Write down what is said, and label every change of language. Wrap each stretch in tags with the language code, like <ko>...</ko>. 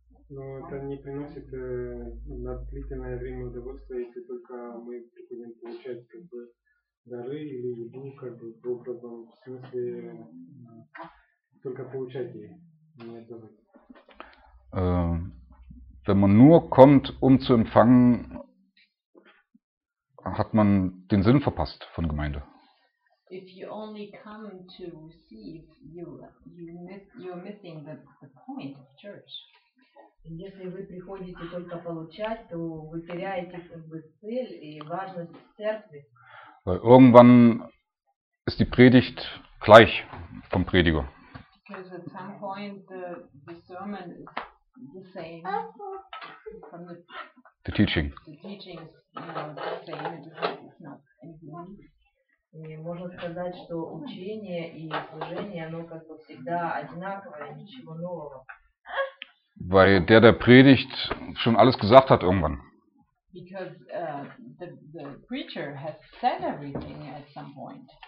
<ru>Но это не приносит на длительное время удовольствия, если только мы будем получать как бы дары или еду, как бы в образом, в смысле только получать ее, не отдавать.</ru> <de>Wenn man nur kommt, um zu empfangen, hat man den Sinn verpasst von Gemeinde.</de> <en>If you only come to receive, you're missing the point of church.</en> <ru>Если вы приходите только получать, то вы теряете как бы цель и важность церкви.</ru> <de>Weil irgendwann ist die Predigt gleich vom Prediger.</de> <en>Because at some point the sermon is the same. From the teaching. The teaching is not the same. It's not anything.</en> <ru>И можно сказать, что учение и служение, оно как бы всегда одинаковое, ничего нового.</ru> <de>Weil der predigt, schon alles gesagt hat irgendwann.</de> <en>Because the preacher has said everything at some point.</en>